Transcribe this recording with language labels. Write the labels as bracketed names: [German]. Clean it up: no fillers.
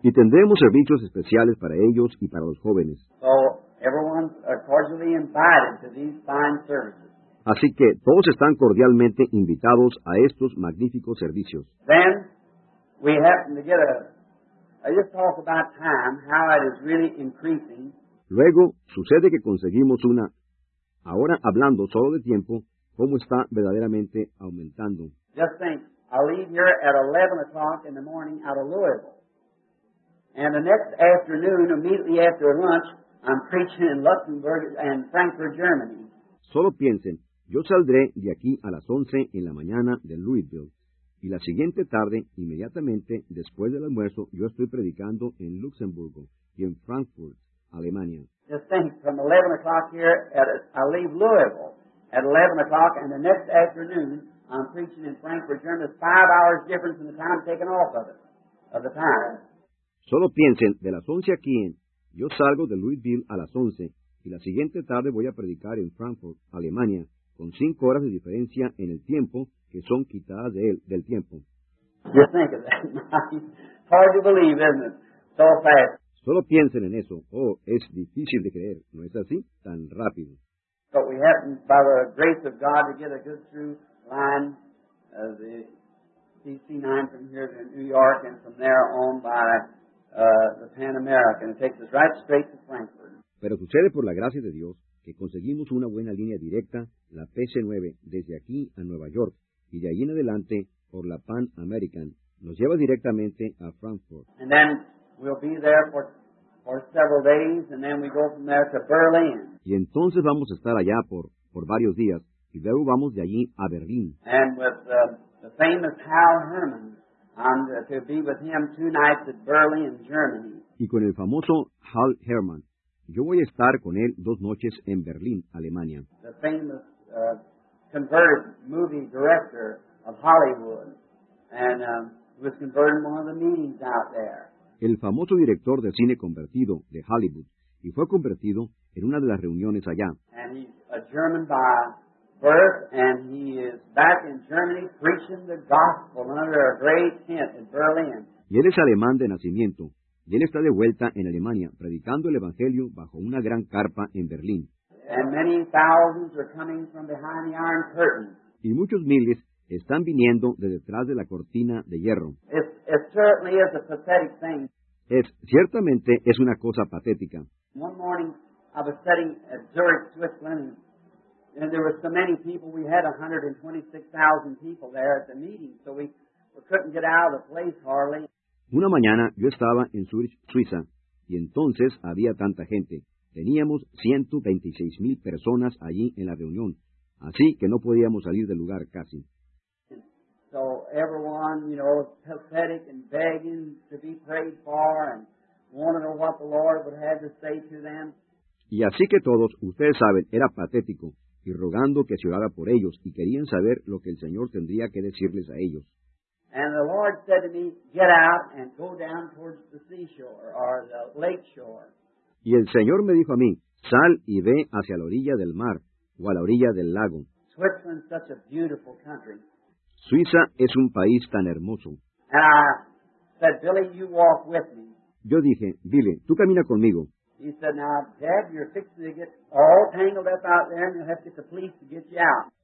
[Spanish] Y tendremos servicios especiales para ellos y para los jóvenes. [English] So everyone's cordially invited to these fine services. [Spanish] Así que todos están cordialmente invitados a estos magníficos servicios. [English] Then we happen to get I just talk about time, how it is really increasing. [Spanish] Luego, sucede que conseguimos una. Ahora, hablando solo de tiempo, ¿cómo está verdaderamente aumentando? [English] Just think, I leave here at 11 o'clock in the morning out of Louisville. And the next afternoon, immediately after lunch, I'm preaching in Luxembourg and Frankfurt, Germany. [Spanish] Solo piensen, yo saldré de aquí a las 11 en la mañana de Louisville. Y la siguiente tarde, inmediatamente después del almuerzo, yo estoy predicando en Luxemburgo y en Frankfurt, Alemania. [English] Just think, from 11 o'clock here, I leave Louisville at 11 o'clock, and the next afternoon, I'm preaching in Frankfurt, Germany. It's 5 hours difference in the time taken off of it, of the time. [Spanish] Solo piensen, de las 11 aquí, yo salgo de Louisville a las 11, y la siguiente tarde voy a predicar en Frankfurt, Alemania, con 5 horas de diferencia en el tiempo, que son quitadas de él, del tiempo. [English] You think of that. It's hard to believe, isn't it? So fast. [Spanish] Solo piensen en eso. Oh, es difícil de creer. ¿No es así? Tan rápido. [English] But we happen, by the grace of God, to get a good through line of the CC9 from here to New York and from there on by the Pan American. It takes us right straight to Frankfurt. [Spanish] Pero sucede por la gracia de Dios que conseguimos una buena línea directa, la PC9, desde aquí a Nueva York. Y de ahí en adelante, por la Pan American, nos lleva directamente a Frankfurt. [English] And then we'll be there for several days, and then we go from there to Berlin. [Spanish] Y entonces vamos a estar allá por varios días, y luego vamos de allí a Berlín. [English] And with the famous Hal Hermann, I'm to be with him 2 nights at Berlin, Germany. [Spanish] Y con el famoso Hal Hermann, yo voy a estar con él 2 noches en Berlín, Alemania. [English] The famous converted movie director of Hollywood, and was converted in one of the meetings out there. [Spanish] El famoso director de cine convertido de Hollywood, y fue convertido en una de las reuniones allá. [English] And he's a German by birth, and he is back in Germany preaching the gospel under a great tent in Berlin. [Spanish] Y él es alemán de nacimiento, y él está de vuelta en Alemania predicando el evangelio bajo una gran carpa en Berlín. [English] And many thousands are coming from behind the iron curtain. [Spanish] Y muchos miles están viniendo de detrás de la cortina de hierro. [English] It certainly is a pathetic thing. [Spanish] Ciertamente es una cosa patética. [English] One morning I was studying at Zurich, Switzerland, and there were so many people. We had 126,000 people there at the meeting, so we couldn't get out of the place hardly. [Spanish] Una mañana yo estaba en Zurich, Suiza, y entonces había tanta gente. Teníamos 126,000 personas allí en la reunión, así que no podíamos salir del lugar casi. [English] So everyone, you know, pathetic and begging to be prayed for and wanting to know what the Lord would have to say to them. [Spanish] Y así que todos, ustedes saben, era patético y rogando que se orara por ellos y querían saber lo que el Señor tendría que decirles a ellos. [English] And the Lord said to me, get out and go down towards the seashore or the lake shore. [Spanish] Y el Señor me dijo a mí, sal y ve hacia la orilla del mar o a la orilla del lago. [English] Switzerland's such a beautiful country. [Spanish] Suiza es un país tan hermoso. [English] And I said, Billy, you walk with me. [Spanish] Yo dije, Billy, tú camina conmigo. [English] He said, now, Dad, you're fixing to get all tangled up out there and you'll have to get the police to get you out.